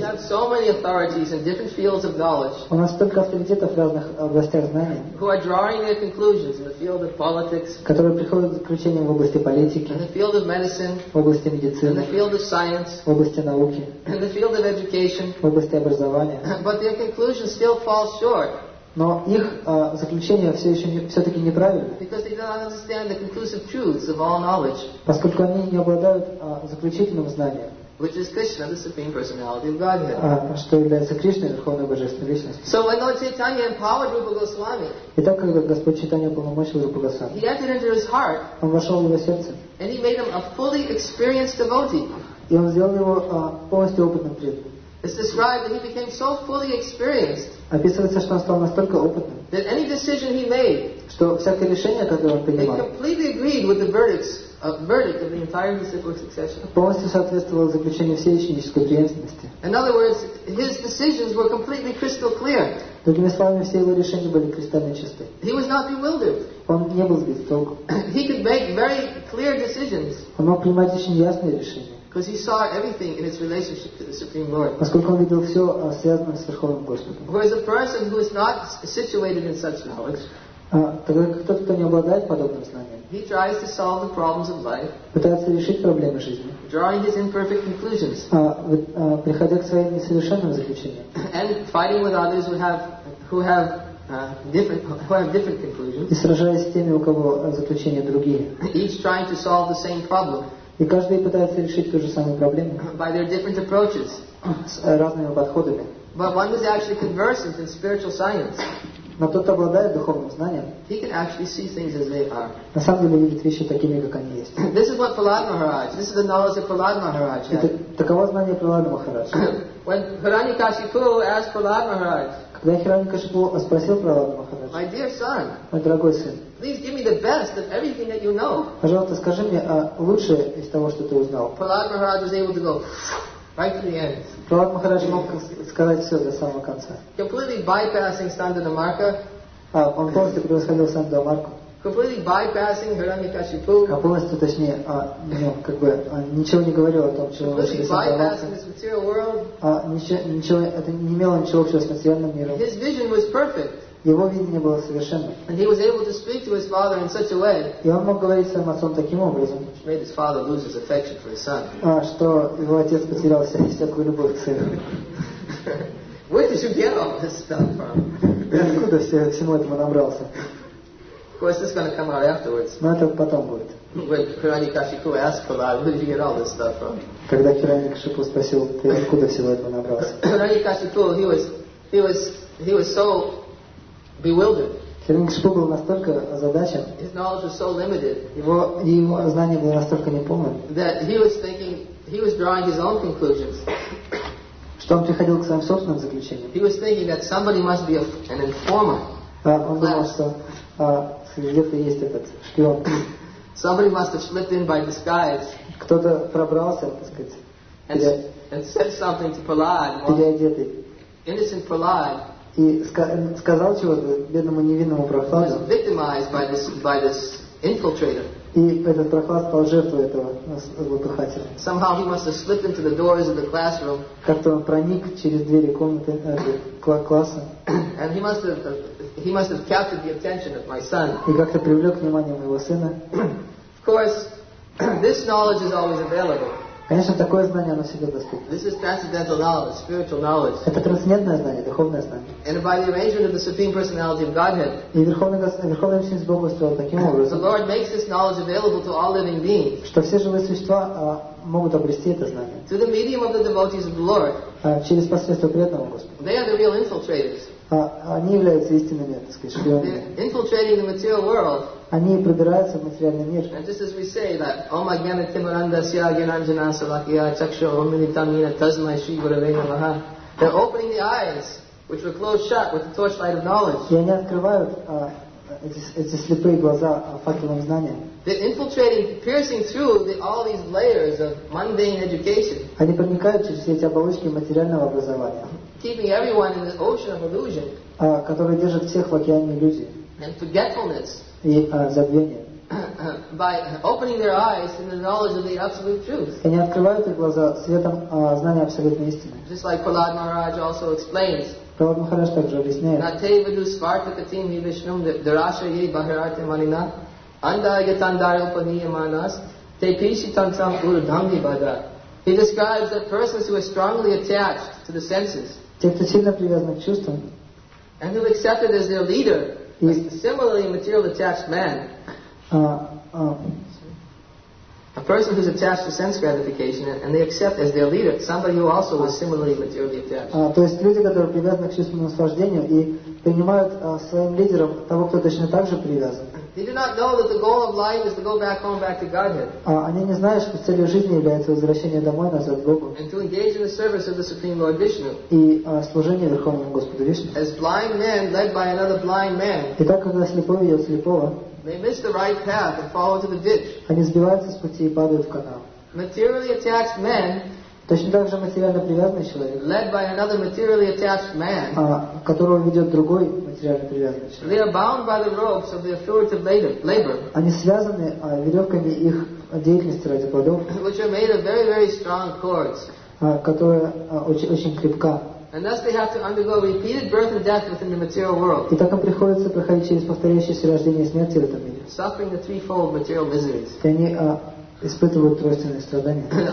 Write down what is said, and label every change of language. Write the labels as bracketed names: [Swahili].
[English] We have so many authorities in different fields of knowledge. [Russian] У нас столько авторитетов в разных областях знаний. [English] Who are drawing their conclusions in the field of politics. [Russian] Которые приходят к заключениям в области политики. [English] In the field of medicine. [Russian] В области медицины. [English] In the field of science. [Russian] В области науки. [English] In the field of education. [Russian] В области образования. [English] But their conclusions still fall short. [Russian] Но их заключения все-таки неправильны. [English] Because they don't understand the conclusive truths of all knowledge. [Russian] Поскольку они не обладают заключительным знанием. [English] Which is Krishna, the Supreme Personality of Godhead. [Russian] Что является Кришной, Верховной Божественной Личностью. [English] So when Lord Chaitanya empowered Rupa Goswami, [Russian] итак, когда Господь Чайтанья уполномочил Рупа Госвами, [English] he entered into his heart, [Russian] он вошел в его сердце, [English] and he made him a fully experienced devotee. [Russian] И он сделал его полностью опытным преданным. [English] It's described that he became so fully experienced. [Russian] Описывается, что он стал настолько опытным. [English] That any decision he made, [Russian] что всякое решение, которое он принимал, [English] it completely agreed with the verdict of the entire disciplic succession. [Russian] Полностью соответствовало заключению всей ученической преемственности. [English] In other words, his decisions were completely crystal clear. [Russian] Другими словами, все его решения были кристально чисты. [English] He was not bewildered. [Russian] Он не был сбит с толку. [English] He could make very clear decisions. [Russian] Он мог принимать очень ясные решения. [English] Because he saw everything in its relationship to the Supreme Lord. [Russian] Поскольку он видел все, связанное с Верховным Господом. [English] Whereas a person who is not situated in such knowledge, [Russian] тот, кто не обладает подобным знанием, [English] he tries to solve the problems of life, [Russian] пытается решить проблемы жизни, [English] drawing his imperfect conclusions, [Russian] приходя к своим несовершенным заключениям, [English] and fighting with others who have different conclusions, [Russian] и сражаясь с теми, у кого заключения другие, [English] each trying to solve the same problem. [Russian] И каждый пытается решить ту же самую проблему [English] by their different approaches. [Russian] С разными подходами. [English] But one who is actually conversant in spiritual science, [Russian] но тот, кто обладает духовным знанием, [English] he can actually see things as they are. [Russian] На самом деле видит вещи такими, как они есть. [English] This is what Prahlad Maharaj, this is the knowledge of Prahlad Maharaj. [Russian] Это таково знание Прахлада Махараджа. [English] When Hiranyakashipu asked Prahlad Maharaj, [Russian] когда Хираньякашипу спросил Прахлада Махараджа, [English] my dear son, [Russian] мой дорогой сын, [English] please give me the best of everything that you know. [Russian] Пожалуйста, скажи мне о лучшее из того, что ты узнал. [English] Prahlad Maharaj was able to go right to the end. [Russian] Prahlad Maharaj мог сказать все до самого конца. [English] Completely bypassing Sthandanamarka. [Russian] Он полностью превосходил Сандамарку. [English] Completely bypassing Hiranyakashipu. [Russian] Полностью, точнее, ничего не говорил о том, чего вообще [English] Completely bypassing this material world. [Russian] Это не имело ничего общего с материальным миром. [English] His vision was perfect. [Russian] Его видение было совершенно. [English] And he was able to speak to his father in such a way. [Russian] И он мог говорить своим отцом таким образом. [English] Which made his father lose his affection for his son. [Russian] Что его отец потерял всякую любовь к сыну. [English] Where did you get all this stuff from? [Russian] Откуда всему этому набрался? [English] Of course, this is going to come out afterwards. [Russian] Но это потом будет. [English] When Hiranyakashipu asked Prahlad, where did you get all this stuff from? [Russian] Когда Хираньякашипу спросил, ты откуда всего этого набрался? [English] Hiranyakashipu, he was so bewildered. [Russian] Хиранишпу был настолько озадачен. [English] His knowledge was so limited. [Russian] Его знание было настолько неполным. [English] That he was thinking, he was drawing his own conclusions. [Russian] Что он приходил к своим собственным заключениям. [English] He was thinking that somebody must be an informer. [Russian] Он думал, что где-то есть этот шпион. [English] Somebody must have slipped in by disguise. [Russian] Кто-то пробрался, так сказать. [English] And said something to Prahlad. [Russian] Переодетый. [English] Innocent Prahlad. [Russian] И сказал чего-то бедному невинному Прахладу. [English] Victimized by this infiltrator. [Russian] И этот Прахлад стал жертвой этого злопыхателя. [English] Somehow he must have slipped into the doors of the classroom. [Russian] Как-то он проник через двери комнаты класса. [English] And he must have captured the attention of my son. [Russian] И как-то привлек внимание моего сына. [English] Of course, this knowledge is always available. [Russian] Конечно, такое знание, оно всегда доступно. [English] This is transcendental knowledge, spiritual knowledge. [Russian] Это трансцендентное знание, духовное знание. [English] And by the arrangement of the Supreme Personality of Godhead, [Russian] и Верховная Личность Бога устроила таким образом, [English] the Lord makes this knowledge available to all living beings, [Russian] что все живые существа могут обрести это знание. [English] Through the medium of the devotees of the Lord, [Russian] через посредство преданного Господа. [English] They are the real infiltrators. [Russian] Они являются истинными, так сказать, шпионами. [English] Infiltrating the material world. [Russian] Они пробираются в материальный мир. [Sanskrit] And just as we say that, Om Agyana Timurandasya Agyananjana Savakya Chakshu Om Nitamina Tasmai Shri Gurave Namaha. [English] They're opening the eyes, which were closed shut with the torchlight of knowledge. [Russian] И они открывают эти слепые глаза факелом знания. [English] They're infiltrating, piercing through all these layers of mundane education. [Russian] Они проникают через все эти оболочки материального образования. [English] Keeping everyone in the ocean of illusion. [Russian] Которые держат всех в океане иллюзий. [English] And forgetfulness. [Russian] И забвение. [English] By opening their eyes to the knowledge of the absolute truth. [Russian] И они открывают их глаза светом знания абсолютной истины. [English] Just like Prahlad Maharaj also explains. [Russian] Prahlad Maharaj также объясняет. [Sanskrit] Nate vidu svarta katim hi vishnum dharasha ye bahirate manina anda yatandara upaniya manas te pishi tantam ur dhangi bhada. [English] He describes that persons who are strongly attached to the senses, [Russian] те, кто сильно привязаны к чувствам, [English] and who have accepted as their leader, a similarly material attached man, a person who's attached to sense gratification, and they accept as their leader somebody who also was similarly materially attached. [Russian] То есть люди, которые привязаны к чувственному наслаждению и принимают своим лидером того, кто точно так же привязан. [English] They do not know that the goal of life is to go back home, back to Godhead. [Russian] Они не знают, что целью жизни является возвращение домой назад к Богу. [English] And to engage in the service of the Supreme Lord Vishnu. [Russian] И служение Верховному Господу Вишну. [English] As blind men led by another blind man. [Russian] И так как слепой ведет слепого. [English] They miss the right path and fall into the ditch. [Russian] Они сбиваются с пути и падают в канал. [English] Materially attached men. [Russian] Точно так же материально привязанный человек, [English] led by another materially attached man, [Russian] которого ведет другой материально привязанный человек. [English] They are bound by the ropes of the affirmative labor. [Russian] Они связаны веревками их деятельности ради плодов, [English] which are made of very, very strong cords. [Russian] Которая очень, очень крепка. [English] And thus they have to undergo repeated birth and death within the material world. [Russian] И так им приходится проходить через повторяющиеся рождения и смерти в этом мире. [English] Suffering the threefold material miseries. [Russian] Испытывают тройственные страдания.